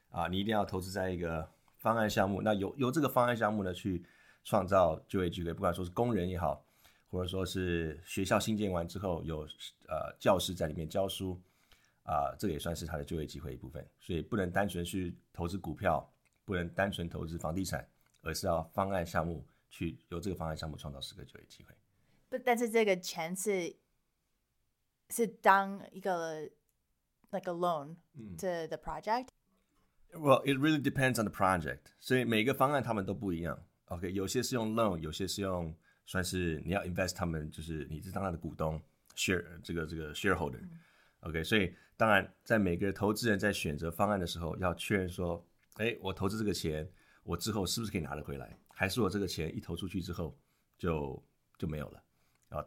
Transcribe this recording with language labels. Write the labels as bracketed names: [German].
[Chinese] 你一定要投资在一个方案项目，那由这个方案项目呢去创造就业机会，不管说是工人也好，或者说是学校新建完之后有教师在里面教书，这个也算是他的就业机会一部分。所以不能单纯去投资股票，不能单纯投资房地产。而是要方案项目去由这个方案项目创造十个就业机会。 But, 但是这个钱是当一个 [English] like a loan to the project? Well, it really depends on the project. [Chinese] 所以每个方案他们都不一样。Okay, 有些是用 loan, 有些是用算是你要 invest 他们，就是你是当他的股东 这个 shareholder。 Okay, 所以当然在每个投资人在选择方案的时候要确认说，哎，我投资这个钱我之后是不是可以拿得回来，还是我这个钱一投出去之后就没有了。